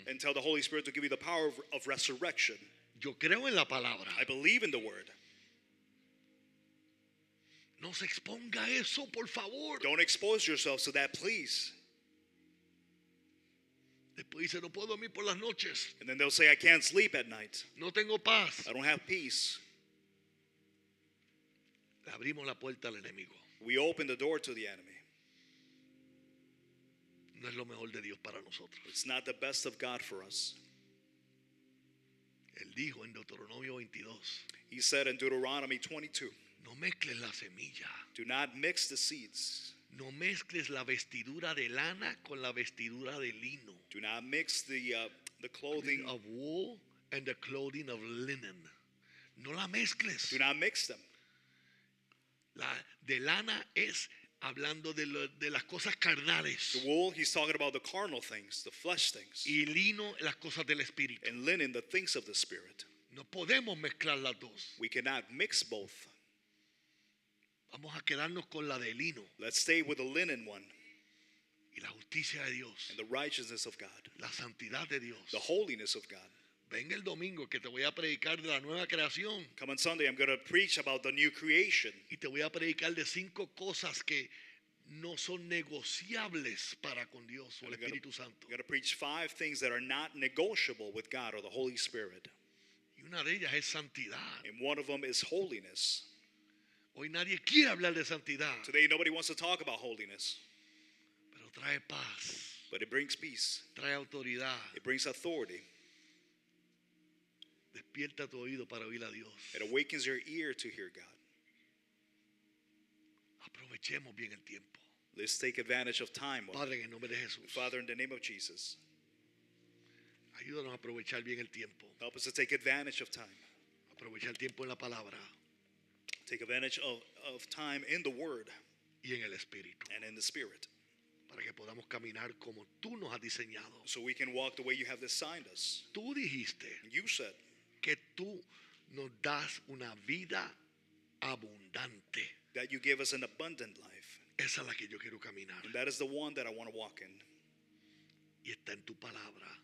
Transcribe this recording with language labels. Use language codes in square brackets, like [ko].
[en] And tell the Holy Spirit to give you the power of resurrection. [es] Yo creo en la palabra. [en] I believe in the word. [es] No se exponga eso, por favor. [en] Don't expose yourself to that, please. [es] Después dice, no puedo dormir por las noches. [en] And then they'll say, I can't sleep at night. [es] No tengo paz. [en] I don't have peace. [es] Le abrimos la puerta al enemigo. [en] We open the door to the enemy. [es] No es lo mejor de Dios para nosotros. [en] It's not the best of God for us. [es] Él dijo en Deuteronomio 22. [en] He said in Deuteronomy 22. [es] No mezcles la semilla. [en] Do not mix the seeds. [es] No mezcles la vestidura de lana con la vestidura de lino. [en] Do not mix the clothing of wool and the clothing of linen. [es] No la mezcles. [en] Do not mix them. [es] La de lana es hablando de lo, de las cosas carnales. [en] The wool, he's talking about the carnal things, the flesh things. [es] Y lino, las cosas del espíritu. [en] And linen, the things of the spirit. [es] No podemos mezclar las dos. [en] We cannot mix both. [es] Vamos a quedarnos con la de lino. [en] Let's stay with the linen one. [es] Y la justicia de Dios. [en] And the righteousness of God. [es] La santidad de Dios. [en] The holiness of God. [es] Venga el domingo que te voy a predicar de la nueva creación. [en] Come on Sunday, I'm going to preach about the new creation. [es] Y te voy a predicar de cinco cosas que no son negociables para con Dios o el Espíritu Santo. [en] I'm going to preach five things that are not negotiable with God or the Holy Spirit. [es] Y una de ellas es santidad. [en] And one of them is holiness. [es] Hoy nadie quiere hablar de santidad. [en] Today nobody wants to talk about holiness. [es] Pero trae paz. [en] But it brings peace. [es] Trae autoridad. [en] It brings authority. [es] Despierta tu oído para oír a Dios. [en] It awakens your ear to hear God. [es] Aprovechemos bien el tiempo. [en] Let's take advantage of time. [es] Padre, en el nombre de Jesús. [en] Father, in the name of Jesus. [es] Ayúdanos a aprovechar bien el tiempo. [en] Help us to take advantage of time. [es] Aprovechar el tiempo en la palabra. [en] Take advantage of time in the Word. [es] Y en el Espíritu. [en] And in the Spirit. [es] Para que podamos caminar como tú nos has diseñado. [en] So we can walk the way you have designed us. [es] Tú dijiste. [en] You said. [es] Que tú nos das una vida abundante. [en] That you give us an abundant life. [es] Esa es la que yo quiero caminar. [en] And that is the one that I want to walk in. [es] Y está en tu palabra.